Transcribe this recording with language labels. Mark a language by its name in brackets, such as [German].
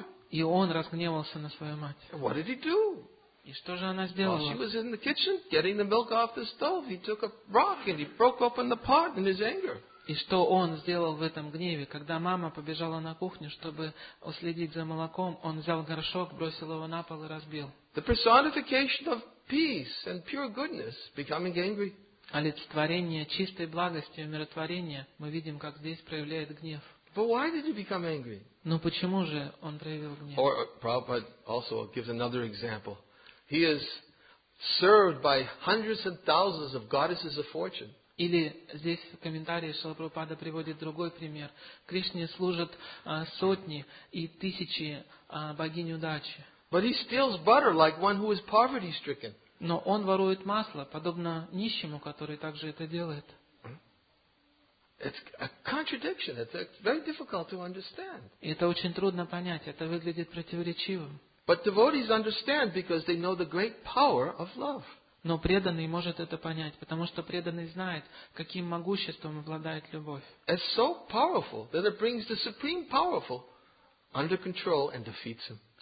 [Russian] И он разгневался на свою мать. И что же она сделала? И что он сделал в этом гневе, когда мама побежала на кухню, чтобы уследить за молоком, он взял горшок, бросил его на пол и разбил. [English] The personification of peace and pure goodness becoming angry. [Russian] Олицетворение чистой благости и умиротворения мы видим, как здесь проявляет гнев. [English] But why did he become angry? [Russian] Но почему же он проявил гнев? [English] Or Prabhupada also gives another example. He is served by hundreds and thousands of goddesses of fortune. [Russian] Или здесь в комментарии Шрила Прабхупада приводит другой пример. Кришне служат сотни и тысячи богинь удачи. [English] But he steals butter like one who is poverty stricken. [Russian] Но он ворует масло, подобно нищему, который также это делает. [English] It's a contradiction. It's very difficult to understand. [Russian] И это очень трудно понять. Это выглядит противоречивым. [English] But devotees understand because they know the great power of love. [Russian] Но преданный может это понять, потому что преданный знает, каким могуществом обладает любовь. [English] It's so powerful that it brings the supreme powerful under control and defeats him.